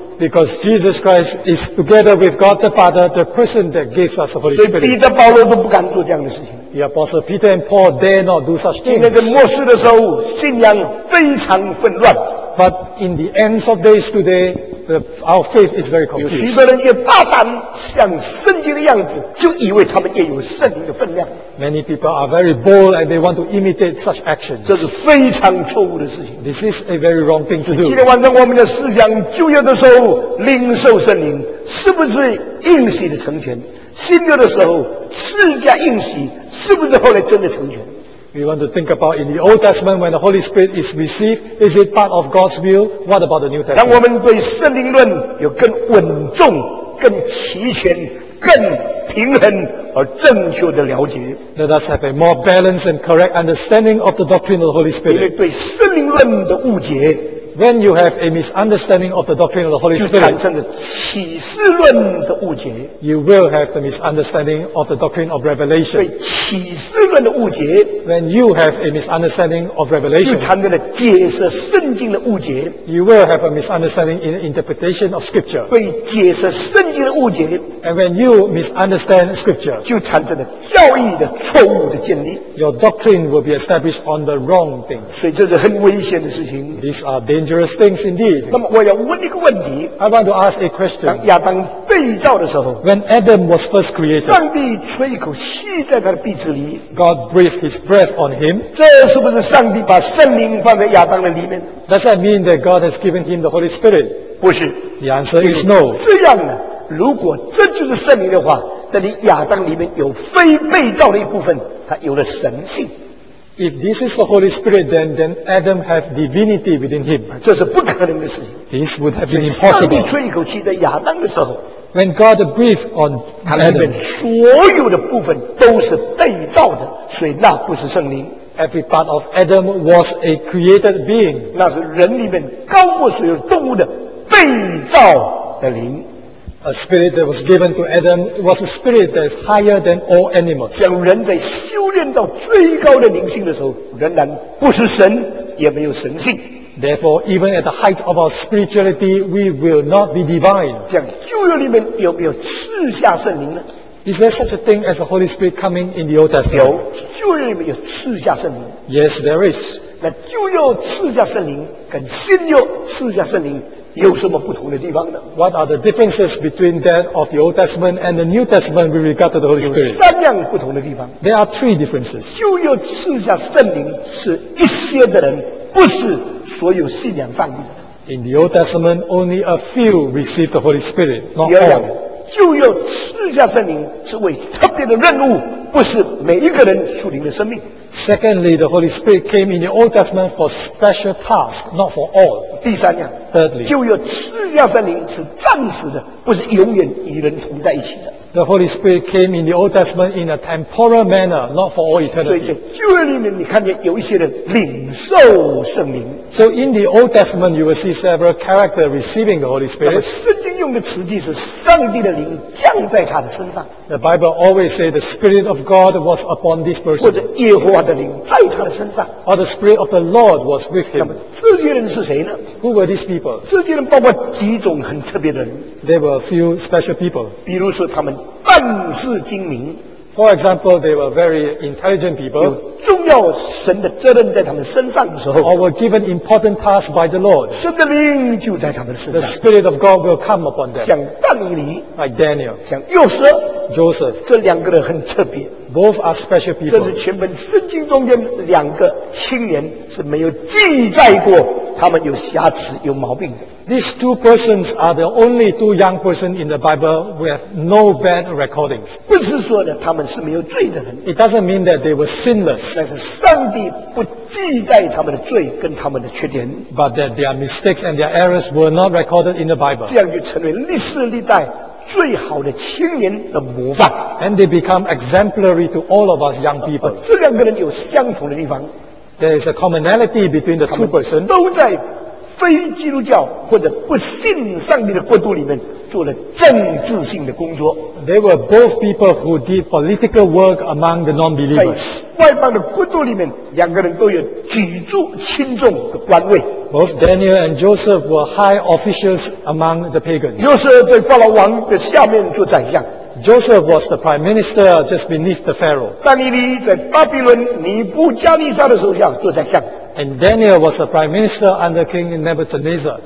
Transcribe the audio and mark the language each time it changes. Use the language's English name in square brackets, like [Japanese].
[English] Because Jesus Christ is together with God the Father, the person that gives us the Holy Spirit. [Chinese] 所以彼得、保罗都不敢做这样的事情。 [English] The apostle Peter and Paul dare not do such things. [Chinese] 今天在末世的时候，信仰非常混乱。 [English] But in the ends of days today, our faith is very confused. [Chinese] 有许多人也大胆像圣经的样子，就以为他们也有圣灵的分量。 [English] Many people are very bold and they want to imitate such actions. [Chinese] 这是非常错误的事情。 [English] This is a very wrong thing to do. [Chinese] 今天晚上我们的思想旧约的时候领受圣灵，是不是应许的成全？新约的时候赐下应许，是不是后来真的成全？ [English] We want to think about in the Old Testament when the Holy Spirit is received, is it part of God's will? What about the New Testament? [Chinese] 当我们对圣灵论有更稳重、更齐全、更平衡而正确的了解。 [English] Let us have a more balanced and correct understanding of the doctrine of the Holy Spirit. [Chinese] 因为对圣灵论的误解。 [English] When you have a misunderstanding of the doctrine of the Holy Spirit, [Chinese] 就产生了启示论的误解。 [English] You will have the misunderstanding of the doctrine of Revelation. [Chinese] 对启示论的误解。 [English] When you have a misunderstanding of Revelation, [Chinese] 就产生了解释圣经的误解。 [English] You will have a misunderstanding in interpretation of Scripture. [Chinese] 对解释圣经的误解。 [English] And when you misunderstand Scripture, [Chinese] 就产生了教义的错误的建立。 [English] Your doctrine will be established on the wrong things. [Chinese] 所以这是很危险的事情。 [English] These are dangerous things indeed. [Chinese] 那么我要问一个问题。 [English] I want to ask a question. [Chinese] 当亚当被造的时候 [English] ，When Adam was first created, [Chinese] 上帝吹一口气在他的鼻子里 [English] ，God breathed His breath on him. [Chinese] 这是不是上帝把圣灵放在亚当的里面 [English] ？Does that mean that God has given him the Holy Spirit? [Chinese] 不是。 [English] The answer is no. [Chinese] 这样呢？如果这就是圣灵的话，那你亚当里面有非被造的一部分，他有了神性。 [English] If this is the Holy Spirit, then Adam has divinity within him. [Chinese] 这是不可能的事情。 [English] This would have been impossible. [Chinese] 上帝吹一口气在亚当的时候 [English] ，When God breathed on Adam, [Chinese] 里面所有的部分都是被造的，所以那不是圣灵。 [English] Every part of Adam was a created being. [Chinese] 那是人里面高过所有动物的被造的灵。 [English] A spirit that was given to Adam was a spirit that is higher than all animals. [Chinese] 像人在修炼到最高的灵性的时候，仍然不是神，也没有神性。 [English] Therefore, even at the height of our spirituality, we will not be divine. [Chinese] 像旧约里面有没有赐下圣灵呢？ [English] Is there such a thing as the Holy Spirit coming in the Old Testament? [Chinese] 有，旧约里面有赐下圣灵。 [English] Yes, there is. [Chinese] 那旧约赐下圣灵跟新约赐下圣灵有什么不同的地方呢？ [English] What are the differences between that of the Old Testament and the New Testament with regard to the Holy Spirit? [Chinese] 有三样不同的地方。 [English] There are three differences. [Chinese] 旧约赐下圣灵是一些的人，不是所有信仰上帝的。 [English] In the Old Testament, only a few received the Holy Spirit, not all. [Chinese] 旧约赐下圣灵是为特别的任务，不是每一个人属灵的生命。 [English] Secondly, the Holy Spirit came in the Old Testament for special tasks, not for all. [Chinese] 第三样。 [English] Thirdly, [Chinese] 就有次要圣灵是暂时的，不是永远与人同在一起的。 [English] The Holy Spirit came in the Old Testament in a temporal manner, not for all eternity. [Chinese] 所以在旧约里面，你看见有一些人领受圣灵。 [English] So in the Old Testament, you will see several characters receiving the Holy Spirit. [Chinese] 那么圣经用的词句是上帝的灵降在他的身上。 [English] The Bible always says the Spirit of God was upon this person. [Chinese] 或者耶和华的灵在他的身上。 [English] Or the Spirit of the Lord was with him. [Chinese] 那么这些人是谁呢？ [English] Who were these people? [Chinese] 这些人包括几种很特别的人。 [English] There were a few special people. [Chinese] 比如说他们办事精明。 [English] For example, they were very intelligent people. [Chinese] 有重要神的责任在他们身上的时候。 [English] Or were given important tasks by the Lord. [Chinese] 神的灵就在他们身上。 [English] The Spirit of God will come upon them. [Chinese] 像但以理。 [English] Like Daniel. [Chinese] 像约瑟。 [English] Joseph. [Chinese] 这两个人很特别。 [English] Both are special people. [Chinese] 这是全本圣经中间两个青年是没有记载过他们有瑕疵有毛病的。 [English] These two persons are the only two young persons in the Bible who have no bad recordings. [Chinese] 不是说的他们是没有罪的人。 [English] It doesn't mean that they were sinless. [Chinese] 但是上帝不记载他们的罪跟他们的缺点。 [English] But that their mistakes and their errors were not recorded in the Bible. [Chinese] 这样就成为历史历代最好的青年的模范。 [English] And they become exemplary to all of us young people. [Chinese] 这两个人有相同的地方。 [English] There is a commonality between the two persons. [Chinese] 都在非基督教或者不信上帝的国度里面做了政治性的工作。 [English] They were both people who did political work among the non-believers. [Chinese] 在外邦的国度里面，两个人都有举足轻重的官位。 [English] Both Daniel and Joseph were high officials among the pagans. [Chinese] 约瑟在法老王的下面做宰相。 [English] Joseph was the prime minister just beneath the Pharaoh. [Chinese] 但以理在巴比伦尼布加利沙的手下做宰相。 [English] And Daniel was the prime minister under King Nebuchadnezzar.